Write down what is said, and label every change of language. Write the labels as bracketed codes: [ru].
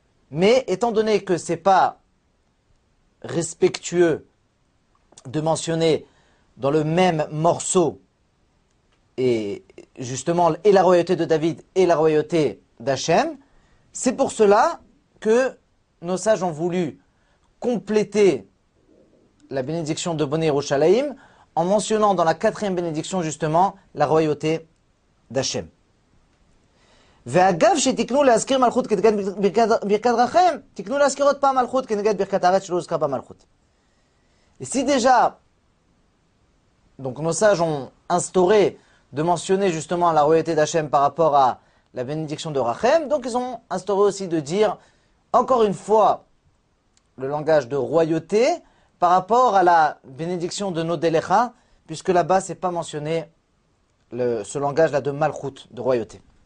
[fr] Mais étant donné que ce n'est pas respectueux de mentionner dans le même morceau, et justement, et la royauté de David et la royauté d'Hachem, c'est pour cela que nos sages ont voulu compléter la bénédiction de Bnei Yerushalayim en mentionnant dans la quatrième bénédiction justement la royauté d'Hachem. [he] ואגב שתקנו להזכיר מלכות כנגד ברכת רחם, תקנו להזכיר עוד פעם מלכות כנגד ברכת הארץ שלא הוזכר במלכות. [fr] Ici déjà, donc nos sages ont instauré de mentionner justement la royauté d'Hachem par rapport à la bénédiction de Rachem, donc ils ont instauré aussi de dire encore une fois le langage de royauté par rapport à la bénédiction de Nodelecha, puisque là-bas c'est pas mentionné ce langage-là de malchoute, de royauté.